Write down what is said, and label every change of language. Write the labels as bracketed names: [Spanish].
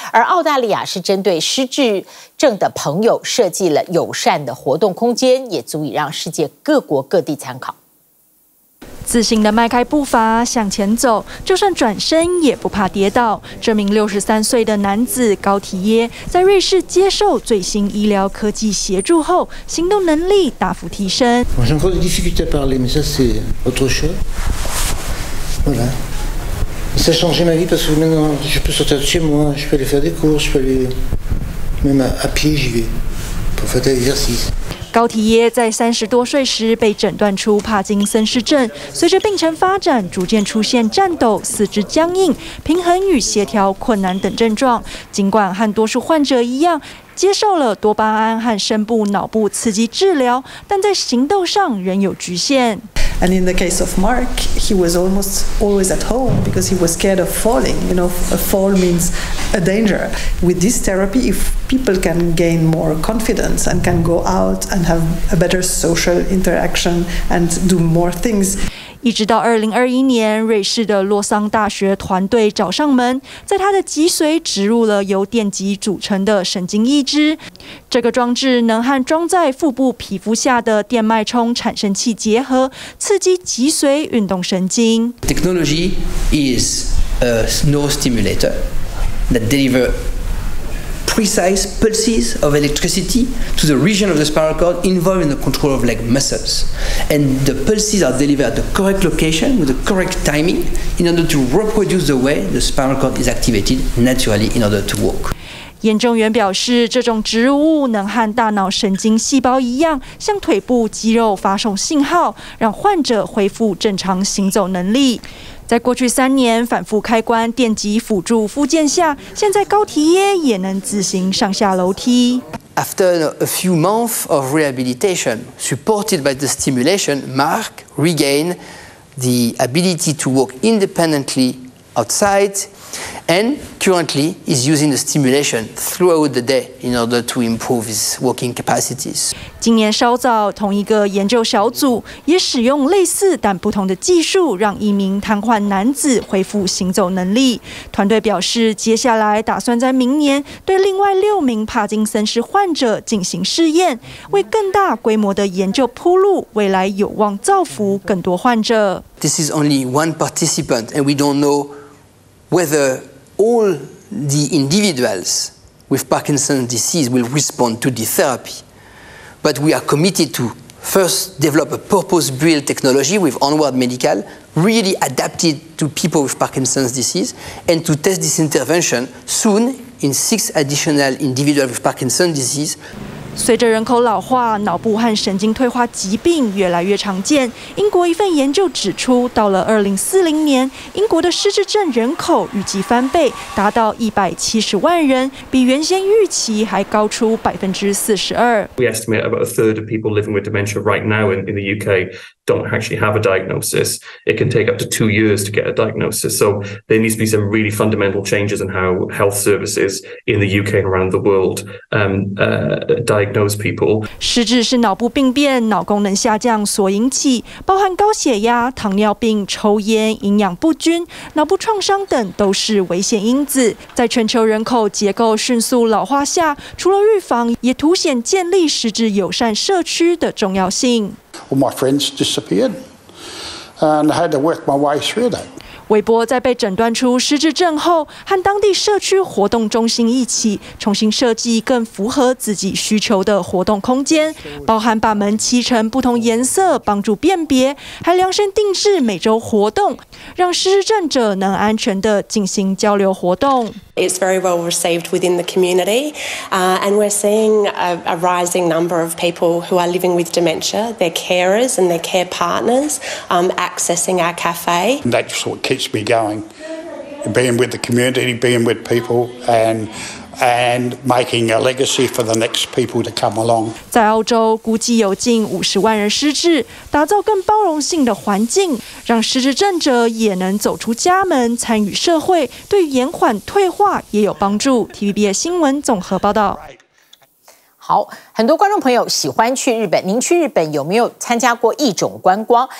[Chinese] 而澳大利亚是针对失智症的朋友设计了友善的活动空间，也足以让世界各国各地参考。自信地迈开步伐向前走，就算转身也不怕跌倒。这名63岁的男子高提耶，在瑞士接受最新医疗科技协助后，行动能力大幅提升。 [French] J'ai encore des difficultés à parler, mais ça c'est autre chose. Voilà. Ça a changé ma vie parce que maintenant je peux sortir de chez moi, je peux aller faire des courses, je peux aller même à pied j'y vais pour faire des exercices. [Chinese] 高提耶在30多岁时被诊断出帕金森氏症，随着病程发展，逐渐出现颤抖、四肢僵硬、平衡与协调困难等症状。尽管和多数患者一样，接受了多巴胺和深部脑部刺激治疗，但在行动上仍有局限。 [English] And in the case of Mark, he was almost always at home because he was scared of falling. You know, a fall means a danger. With this therapy, if people can gain more confidence and can go out and have a better social interaction and do more things. [Chinese] 一直到2021年，瑞士的洛桑大学团队找上门，在他的脊髓植入了由电极组成的神经抑制。这个装置能和装在腹部皮肤下的电脉冲产生器结合，刺激脊髓运动神经。 [English] Technology is a nerve stimulator that delivers precise pulses of electricity to the region of the spinal cord involved in the control of leg muscles. And the pulses are delivered at the correct location with the correct timing in order to reproduce the way the spinal cord is activated naturally in order to walk. [Chinese] 研究员表示，这种植入物能和大脑神经细胞一样，向腿部肌肉发送信号，让患者恢复正常行走能力。在过去三年反复开关电极辅助复健下，现在高缇耶也能自行上下楼梯。 [English] After a few months of rehabilitation, supported by the stimulation, Mark regained the ability to walk independently outside. And currently, he's using the stimulation throughout the day in order to improve his walking capacities. [Chinese] 今年稍早，同一个研究小组也使用类似但不同的技术，让一名瘫痪男子恢复行走能力。团队表示，接下来打算在明年对另外六名帕金森氏患者进行试验，为更大规模的研究铺路，未来有望造福更多患者。 [English] This is only one participant, and we don't know. Whether all the individuals with Parkinson's disease will respond to the therapy. But we are committed to first develop a purpose-built technology with Onward Medical, really adapted to people with Parkinson's disease, and to test this intervention soon in 6 additional individuals with Parkinson's disease. [Chinese] 随着人口老化，脑部和神经退化疾病越来越常见。英国一份研究指出，到了2040年，英国的失智症人口预计翻倍，达到170万人，比原先预期还高出42%。 [English] We estimate about a third of people living with dementia right now in the UK don't actually have a diagnosis. It can take up to 2 years to get a diagnosis. So there needs to be some really fundamental changes in how health services in the UK and around the world diagnose people. [Chinese] 失智是脑部病变、脑功能下降所引起，包含高血压、糖尿病、抽烟、营养不均、脑部创伤等都是危险因子。在全球人口结构迅速老化下，除了预防，也凸显建立失智友善社区的重要性。 [English] All my friends disappeared, and I had to work my way through that. [Chinese] 韦伯在被诊断出失智症后，和当地社区活动中心一起重新设计更符合自己需求的活动空间，包含把门漆成不同颜色，帮助辨别，还量身定制每周活动，让失智症者能安全地进行交流活动。 [English] It's very well received within the community, and we're seeing a rising number of people who are living with dementia, their carers and their care partners, accessing our cafe. That's what keeps me going, being with the community, being with people, and making a legacy for the next people to come along. [Chinese] 在澳洲，估计有近500,000人失智，打造更包容性的环境，让失智症者也能走出家门，参与社会，对延缓退化也有帮助。 TVBS 新闻综合报道。好，很多观众朋友喜欢去日本，您去日本有没有参加过一种观光？